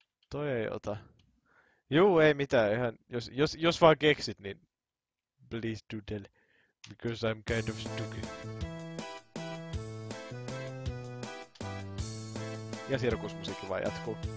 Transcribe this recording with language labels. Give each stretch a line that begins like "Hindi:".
Finnish: Toi ei ota. Juu, ei mitään, ihan, jos vaan keksit, niin...
English: Please do tell, because I'm kind of stuck.
Finnish: Ja sirkusmusiikki vaan jatkuu.